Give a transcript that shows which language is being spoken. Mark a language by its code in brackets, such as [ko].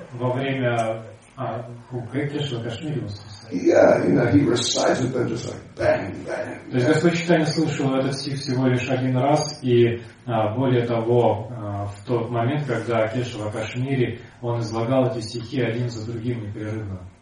[ru] Во время Кешва Кашмири он слышал. [en] Yeah, you know, he recited them just like bang, bang. [ru] То есть Господь Чайтанья слышал этот стих всего лишь один раз, и более того, в тот момент, когда Кешва Кашмири, он излагал эти стихи один за другим непрерывно.